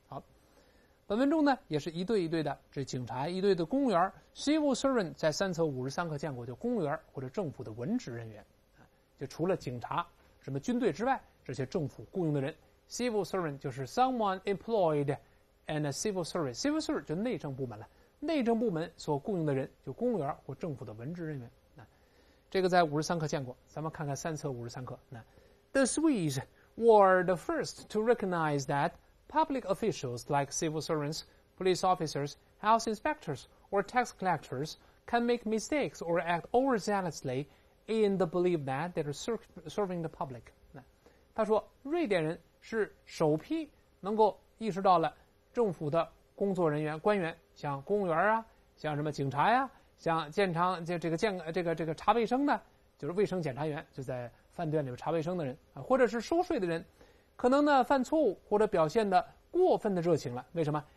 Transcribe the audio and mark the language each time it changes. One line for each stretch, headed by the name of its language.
Chinese: 好，本文中呢也是一对一对的，这警察一对的公务员 civil servant 在353课见过，就公务员或者政府的文职人员，就除了警察什么军队之外，这些政府雇佣的人 civil servant 就是
English: someone employed and civil service，
Chinese: civil service 就内政部门了，内政部门所雇佣的人就公务员或政府的文职人员。这个在53课见过，咱们看看353课。
English: The Swedes were the first to recognize thatPublic officials like civil servants, police officers, health inspectors, or tax collectors can make mistakes or act overzealously in the belief that they are serving the public.
Chinese: 他说瑞典人是首批能够意识到了政府的工作人员官员，像公务员啊，像什么警察呀，像这个查卫生的，就是卫生检查员，就在饭店里面查卫生的人，或者是收税的人，可能呢犯错误或者表现的过分的热情了。为什么？